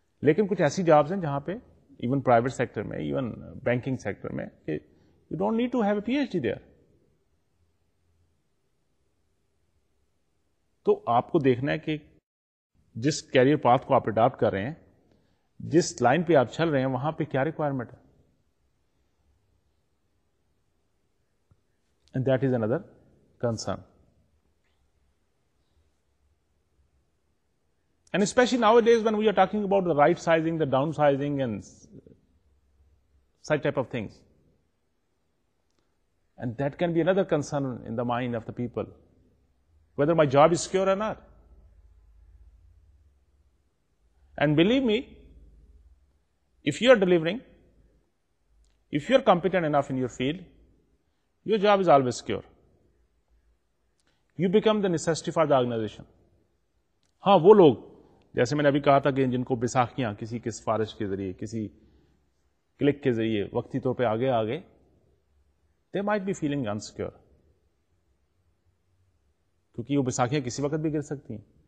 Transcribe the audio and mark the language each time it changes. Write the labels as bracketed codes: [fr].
[ur] Lekin kuch aisi [en] jobs [ur] hain jahan pe, [en] even private sector mein, even banking sector mein, you don't need to have a PhD there. [ur] تو آپ کو دیکھنا ہے کہ جس career path کو آپ اڈاپٹ کر رہے ہیں, جس لائن پہ آپ چل رہے ہیں, وہاں پہ کیا ریکوائرمنٹ ہے. [en] And that is under concern. And especially nowadays when we are talking about the rightsizing, the downsizing and such type of things, and that can be under concern in the mind of the people, whether my job is secure or not. And believe me, if you are delivering, if you are competent enough in your field, your job is always secure. You become the necessity for the organization. [ur] ہاں وہ لوگ جیسے میں نے ابھی کہا تھا کہ جن کو بیساکھیاں کسی کے سفارش کے ذریعے, کسی کلک کے ذریعے وقتی طور پہ آگے آ گئے, [en] they might be feeling unsecure. [ur] کیونکہ وہ بیساکھیاں کسی وقت بھی گر سکتی ہیں.